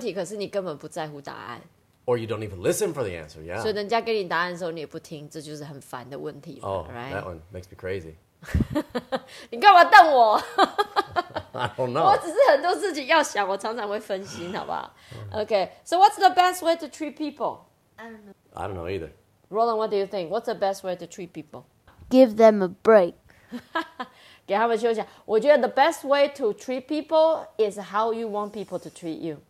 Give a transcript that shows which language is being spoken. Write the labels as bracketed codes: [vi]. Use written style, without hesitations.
[en] getting anywhere or getting to an answer. Or you don't even listen for the answer, yeah. [zh] 所以人家给你答案的时候你也不听，这就是很烦的问题嘛, oh, [en] right? That one makes me crazy. [zh] 你干嘛瞪我? [en] I don't know. [zh] 我只是很多事情要想，我常常会分心，好不好? [en] Okay, so what's the best way to treat people? I don't know either. Roland, what do you think? What's the best way to treat people? Give them a break. [zh] 给他们休息。我觉得 [en] the best way to treat people is how you want people to treat you.